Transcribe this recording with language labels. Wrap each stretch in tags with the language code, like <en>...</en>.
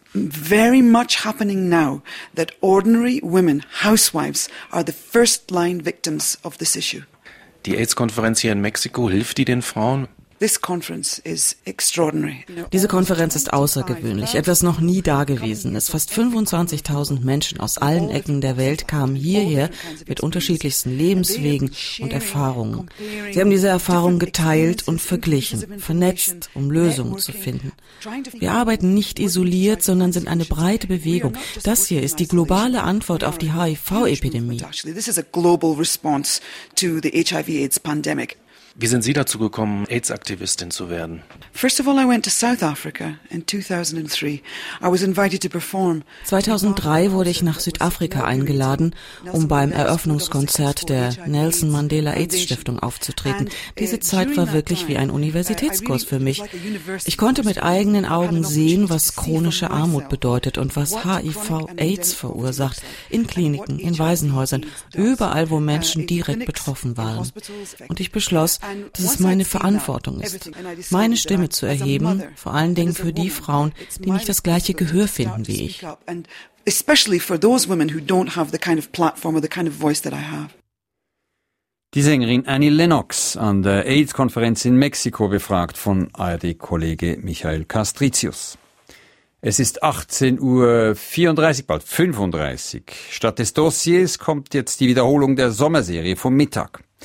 <en>Very much happening now that ordinary women, housewives, are the first line victims of this issue.</en> <de>Die AIDS-Konferenz hier in Mexiko, hilft die den Frauen?</de> <en>This conference is extraordinary.</en> <de>Diese Konferenz ist außergewöhnlich, etwas noch nie dagewesenes. Fast 25.000 Menschen aus allen Ecken der Welt kamen hierher mit unterschiedlichsten Lebenswegen und Erfahrungen. Sie haben diese Erfahrungen geteilt und verglichen, vernetzt, um Lösungen zu finden. Wir arbeiten nicht isoliert, sondern sind eine breite Bewegung. Das hier ist die globale Antwort auf die HIV-Epidemie.</de> <en>This is a global response to the HIV/AIDS pandemic.</en> <de>Wie sind Sie dazu gekommen, AIDS-Aktivistin zu werden?</de> <en>First of all, I went to South Africa in 2003. I was invited to perform.</en> <de>2003 wurde ich nach Südafrika eingeladen, um beim Eröffnungskonzert der Nelson Mandela AIDS-Stiftung aufzutreten. Diese Zeit war wirklich wie ein Universitätskurs für mich. Ich konnte mit eigenen Augen sehen, was chronische Armut bedeutet und was HIV/AIDS verursacht. In Kliniken, in Waisenhäusern, überall, wo Menschen direkt betroffen waren. Und ich beschloss, dass es meine Verantwortung ist, meine Stimme zu erheben, vor allen Dingen für die Frauen, die nicht das gleiche Gehör finden wie ich.</de> <en>Especially for those women who don't have the kind of platform or the kind of voice that I have.</en> <de>Die Sängerin Annie Lennox an der AIDS-Konferenz in Mexiko befragt von ARD-Kollege Michael Castricius. Es ist 18.34 Uhr, bald 35. Statt des Dossiers kommt jetzt die Wiederholung der Sommerserie vom Mittag.</de>